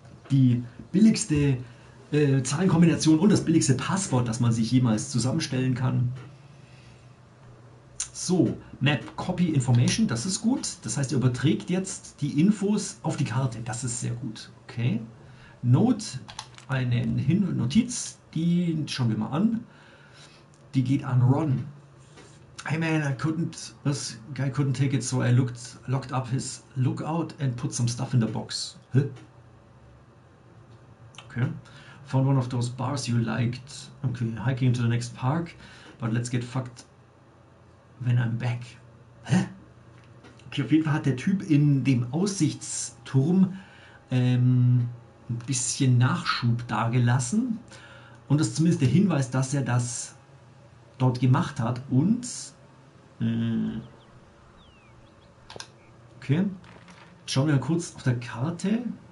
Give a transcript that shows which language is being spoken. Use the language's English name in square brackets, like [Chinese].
[German] Die billigste Zahlenkombination und das billigste Passwort, das man sich jemals zusammenstellen kann. So, Map Copy Information, das ist gut. Das heißt, er überträgt jetzt die Infos auf die Karte. Das ist sehr gut. Okay. Note, eine Notiz, die schauen wir mal an. Die geht an Ron. [English] Hey man, this guy couldn't take it, so I locked up his lookout and put some stuff in the box. Hä? Okay. Found one of those bars you liked. Okay, hiking to the next park, but let's get fucked when I'm back. Hä? [German] Okay, auf jeden Fall hat der Typ in dem Aussichtsturm ein bisschen Nachschub dagelassen. Und das ist zumindest der Hinweis, dass er das dort gemacht hat. Und okay, schauen wir mal kurz auf der Karte.